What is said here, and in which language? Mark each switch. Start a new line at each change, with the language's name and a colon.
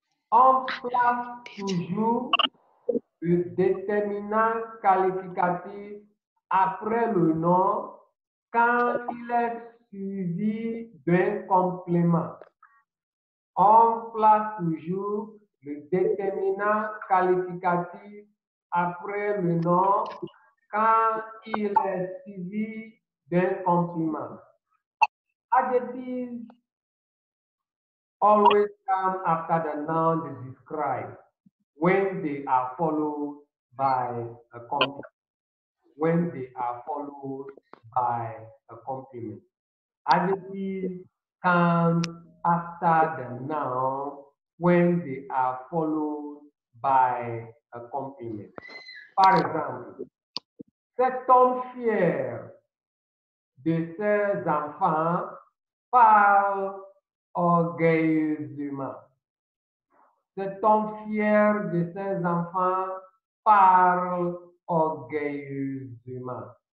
French: On place toujours le déterminant qualificatif après le nom quand il est suivi d'un complément. On place toujours le déterminant qualificatif après le nom quand il est suivi d'un complément.
English: Adjectif always come after the noun they describe when they are followed by a compliment. Adjectives come after the noun when they are followed by a compliment. For example,
French: cet homme fier de ses enfants parle orgueilleusement. Cet homme fier de ses enfants parle orgueilleusement.